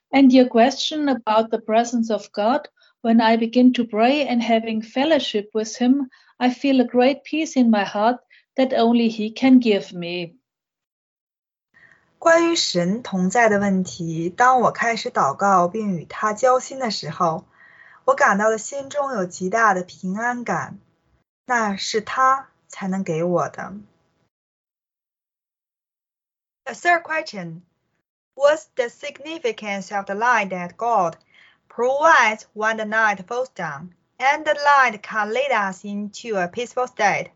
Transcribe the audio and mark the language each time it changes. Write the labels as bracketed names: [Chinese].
[English] your question about the presence of God, when I begin to pray and having fellowship with him, I feel a great peace in my heart that only he can give me. [Chinese] 关于神同在的问题，当我开始祷告并与他交心的时候， 我感到了心中有极大的平安感，那是他才能给我的。The [English] third question, what's the significance of the light that God provides when the night falls down, and the light can lead us into a peaceful state?